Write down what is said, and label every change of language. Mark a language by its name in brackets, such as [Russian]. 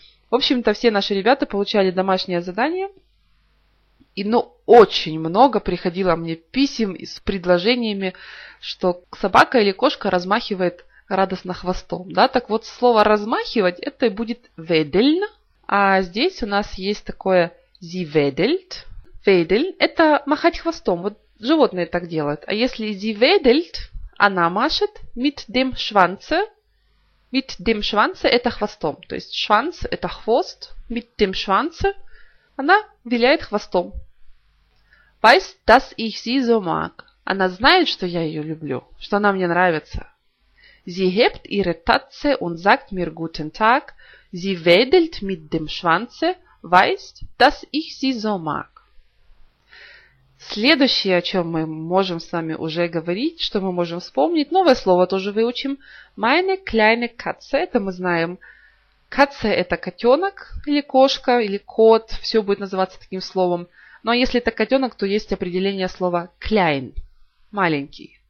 [Russian] В общем-то, все наши ребята получали домашнее задание. И, ну, очень много приходило мне писем с предложениями, что собака или кошка размахивает радостно хвостом. Да? Так вот, слово «размахивать» – это и будет «wedeln». А здесь у нас есть такое [German] «sie wedelt». [Russian] «Wedeln» – это махать хвостом. Вот животные так делают. А если [German] «sie wedelt» [Russian] – она машет [German] «mit dem Schwanze». «Mit dem Schwanze» [Russian] – это хвостом. То есть «Schwanz» – это хвост. [German] «Mit dem Schwanze» [Russian] – она виляет хвостом. [German] Weiß, dass ich sie so mag. [Russian] Она знает, что я ее люблю, что она мне нравится. [German] Sie hebt ihre Tatze und sagt mir guten Tag. Sie wedelt mit dem Schwanze. Weiß, dass ich sie so mag. [Russian] Следующее, о чем мы можем с вами уже говорить, что мы можем вспомнить, новое слово тоже выучим. [German] Meine kleine Katze. [Russian] Это мы знаем. Katze – это котенок или кошка, или кот. Все будет называться таким словом. Но если это котенок, то есть определение слова klein – маленький.